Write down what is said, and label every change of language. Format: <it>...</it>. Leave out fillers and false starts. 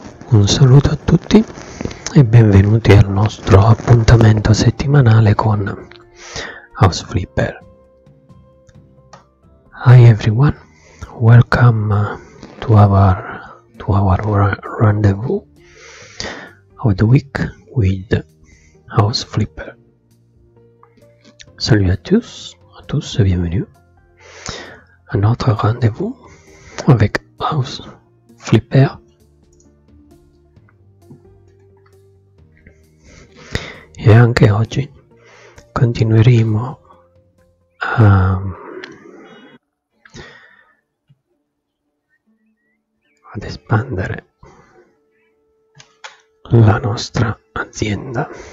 <it>Un saluto a tutti e benvenuti al nostro appuntamento settimanale con House Flipper.</it> <en>Hi everyone, welcome to our rendezvous of the week with House Flipper.</en> <fr>Salut à tous et bienvenue à notre rendez-vous avec House Flipper.</fr> <it>E anche oggi continueremo ad espandere la nostra azienda.</it>